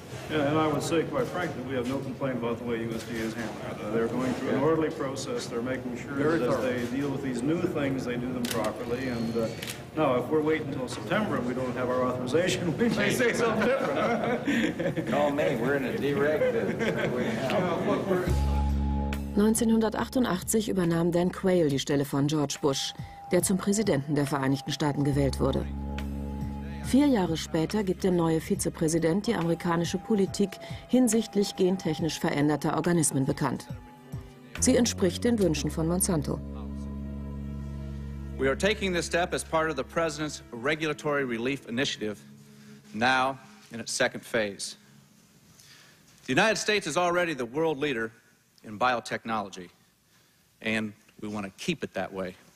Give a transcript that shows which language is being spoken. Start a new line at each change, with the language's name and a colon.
English: Yeah, and I would say, quite frankly, we have no complaint about the way USDA is handling it. They're going through an orderly process. They're making sure that they deal with these new things, they do them properly. And now, if we're waiting until September and we don't have our authorization, we may say something different. Call me. We're in a dereg. Look,
German: 1988 übernahm Dan Quayle die Stelle von George Bush, der zum Präsidenten der Vereinigten Staaten gewählt wurde. 4 Jahre später gibt der neue Vizepräsident die amerikanische Politik hinsichtlich gentechnisch veränderter Organismen bekannt. Sie entspricht den Wünschen von Monsanto.
English: We are taking this step as part of the president's regulatory relief initiative, now in its second phase. The United States is already the world leader in biotechnology, and we want to keep it that way.